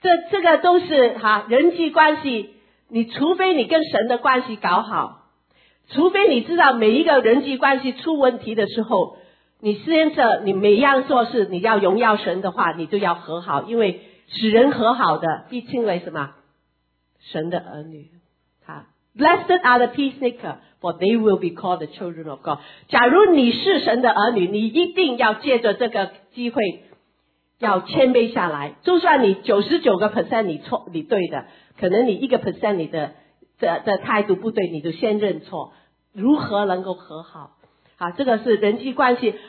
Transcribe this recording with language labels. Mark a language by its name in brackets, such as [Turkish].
[Chinese] 这个都是哈人际关系，你除非你跟神的关系搞好，除非你知道每一个人际关系出问题的时候，你先着你每样做事你要荣耀神的话，你就要和好，因为使人和好的必称为什么？神的儿女。 [English] Blessed are the peacemaker, for they will be called the children of God. [Chinese] 假如你是神的儿女，你一定要借着这个机会要谦卑下来，就算你 99% 你错你对的，可能你 1% 你的态度不对，你就先认错，如何能够和好啊，这个是人际关系。